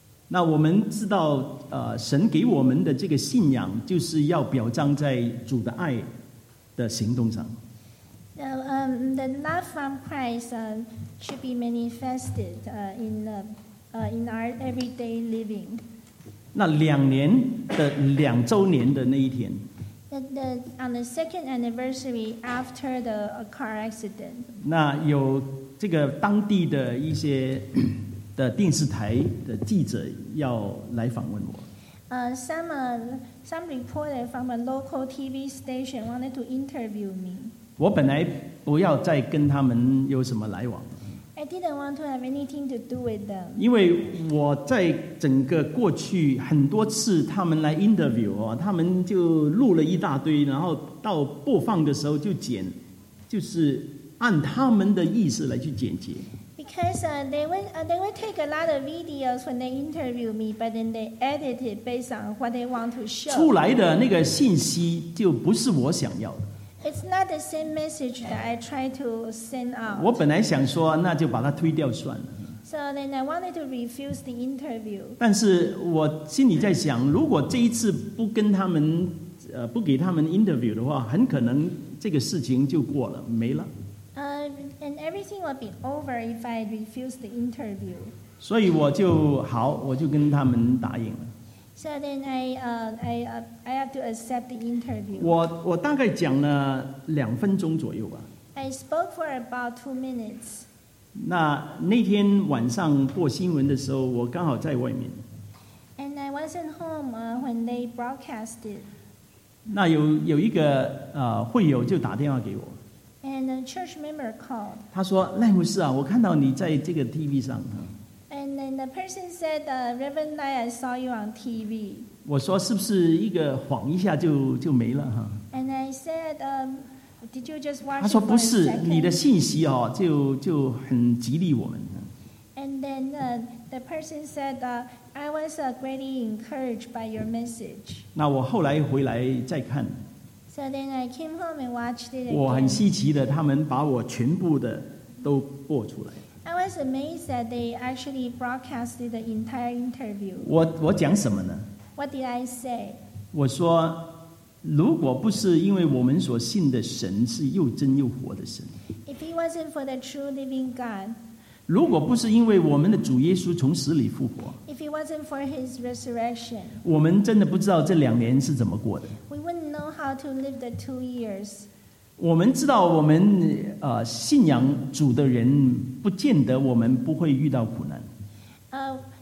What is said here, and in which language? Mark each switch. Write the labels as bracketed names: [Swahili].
[Chinese] 那我们知道，神给我们的这个信仰，就是要表彰在主的爱的行动上。 [English] The love from Christ should be manifested in our everyday living. [Chinese] 那两年的两周年的那一天。 [English] On the second anniversary after the car accident. [Chinese] 那有这个当地的一些的电视台的记者要来访问我。 [English] Some reporter from a local TV station wanted to interview me. [Chinese] 我本来不要再跟他们有什么来往。 [English] I didn't want to have anything to do with them. [Chinese] 因为我在整个过去很多次他们来 interview 哦，他们就录了一大堆，然后到播放的时候就剪，就是按他们的意思来去剪辑。 [English] Because they will take a lot of videos when they interview me, but then they edit it based on what they want to show. [Chinese] 出来的那个信息就不是我想要的。 [English] It's not the same message that I try to send out. [Chinese] 我本来想说那就把它推掉算了。 [English] So then I wanted to refuse the interview. [Chinese] 但是我心里在想，如果这一次不跟他们不给他们 interview 的话，很可能这个事情就过了，没了。 [English] And everything will be over if I refuse the interview. [Chinese] 所以我就好，我就跟他们答应了。 [English] So then I have to accept the interview. [Chinese] 我大概讲了两分钟左右吧。 [English] I spoke for about 2 minutes. [Chinese] 那天晚上播新闻的时候，我刚好在外面。 [English] And I wasn't home when they broadcasted. [Chinese] 那有一个会友就打电话给我。 [English] And a church member called. [Chinese] 他说赖牧师啊，我看到你在这个 TV 上。 [English] And then the person said, Rev. Lai, I saw you on TV. [Chinese] 我说是不是一个晃一下就没了哈。 [English] And I said, did you just watch? [Chinese] 他说不是，你的信息哦，就很激励我们。 [English] And then the person said, I was greatly encouraged by your message. [Chinese] 那我后来回来再看。 [English] So then I came home and watched it again. [Chinese] 我很稀奇的，他们把我全部的都播出来。 [English] I was amazed that they actually broadcasted the entire interview. [Chinese] 我讲什么呢 [English] ？What did I say？ [Chinese] 我说，如果不是因为我们所信的神是又真又活的神 [English] ，If it wasn't for the true living God， [Chinese] 如果不是因为我们的主耶稣从死里复活 [English] ，If it wasn't for His resurrection， [Chinese] 我们真的不知道这两年是怎么过的。 [English] How to live the 2 years. [Chinese] 我们知道我们信仰主的人不见得我们不会遇到苦难。